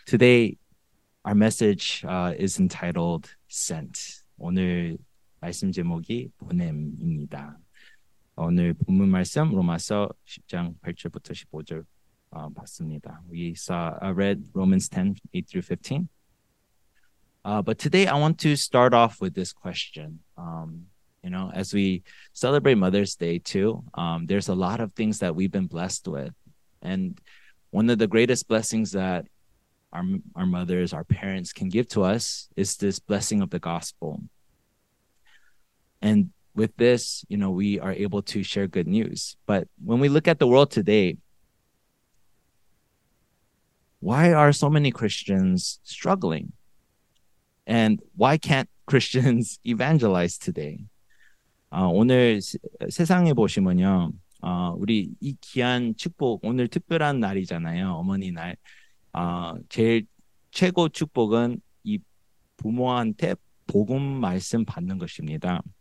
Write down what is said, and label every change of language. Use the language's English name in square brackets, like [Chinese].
[English] Today, our message is entitled Sent. [Korean] 오늘 말씀 제목이 보냄입니다. 오늘 본문 말씀 로마서 10장 8절부터 15절 봤습니다. [English] I read Romans 10, 8 through 15. But today, I want to start off with this question. You know, as we celebrate Mother's Day too, there's a lot of things that we've been blessed with. And one of the greatest blessings that our mothers, our parents can give to us is this blessing of the gospel. And with this, you know, we are able to share good news. But when we look at the world today, why are so many Christians struggling? And why can't Christians evangelize today? [Korean] 오늘 세상에 보시면요, 우리 이 귀한 축복, 오늘 특별한 날이잖아요, 어머니 날. 제일 최고 축복은 이 부모한테 복음 말씀 받는 것입니다.